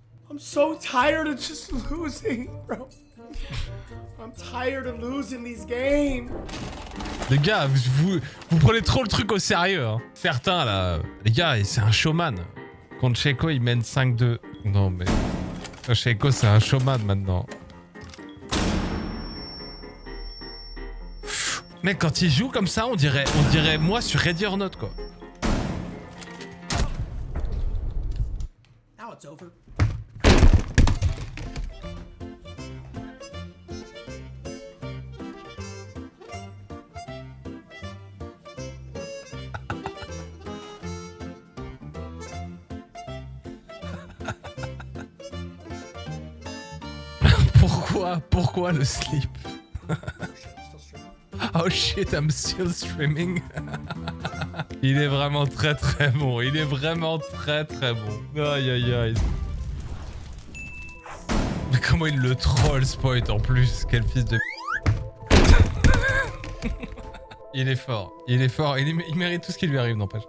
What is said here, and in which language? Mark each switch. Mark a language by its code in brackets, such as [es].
[en] I'm so tired of just losing, bro. I'm tired of losing these games. [fr] Les gars, vous prenez trop le truc au sérieux. Hein. Certains là. Les gars, c'est un showman. Contre Sheiko, il mène 5-2. Non mais... Sheiko, c'est un showman maintenant. Mec, quand il joue comme ça, on dirait moi sur Ready or Not, quoi. [en] Now it's over. [fr] Pourquoi le slip? [en] Oh shit, I'm still streaming. [fr] Il est vraiment très très bon. Il est vraiment très très bon. Aïe aïe aïe. Mais comment il le troll, Spoit, en plus? Quel fils de... Il est fort. Il est fort. Il mérite tout ce qui lui arrive, n'empêche.